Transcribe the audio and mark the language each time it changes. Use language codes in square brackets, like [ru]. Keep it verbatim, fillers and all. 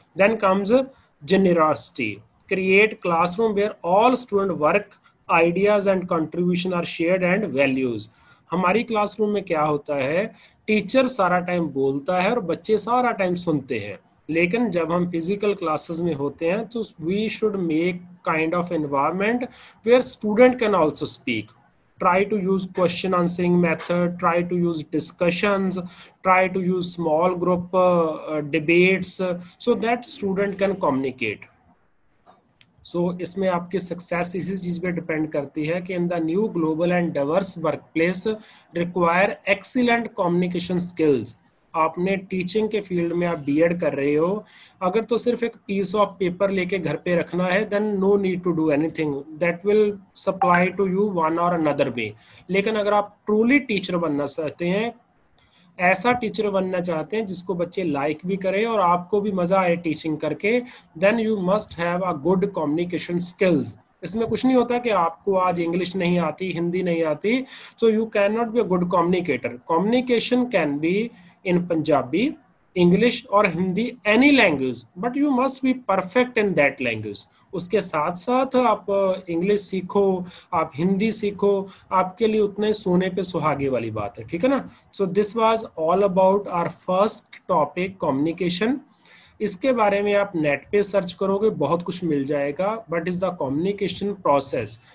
[en] Then comes generosity, create classroom where all student work, ideas and contribution are shared and values. [hi] हमारी classroom में क्या होता है, teacher सारा टाइम बोलता है और बच्चे सारा टाइम सुनते हैं, लेकिन जब हम फिजिकल क्लासेस में होते हैं तो [en] We should make kind of environment where student can also speak. Try to use question answering method, try to use discussions, try to use small group uh, uh, debates uh, so that student can communicate. [hi] So so, इसमें आपकी success इसी चीज पे depend करती है कि [en] In the new global and diverse workplace require excellent communication skills. [hi] आपने teaching के फील्ड में आप बीएड कर रहे हो, अगर तो सिर्फ एक पीस ऑफ पेपर लेके घर पे रखना है, [en] Then no need to do anything that will supply to you one or another way. [hi] लेकिन अगर आप ट्रूली टीचर बनना चाहते हैं, ऐसा टीचर बनना चाहते हैं जिसको बच्चे लाइक भी करें और आपको भी मजा आए टीचिंग करके, [en] Then you must have a good communication skills. [hi] इसमें कुछ नहीं होता कि आपको आज इंग्लिश नहीं आती, हिंदी नहीं आती, [en] So you can not be a good communicator. Communication can be in Punjabi, English or Hindi, any language, but you must be perfect in that language। [hi] उसके साथ साथ आप इंग्लिश सीखो, आप हिंदी सीखो, आपके लिए उतने सोने पे सुहागे वाली बात है, ठीक है ना। [en] So this was all about our first topic communication. [hi] इसके बारे में आप नेट पे सर्च करोगे बहुत कुछ मिल जाएगा, [en] But is the communication process.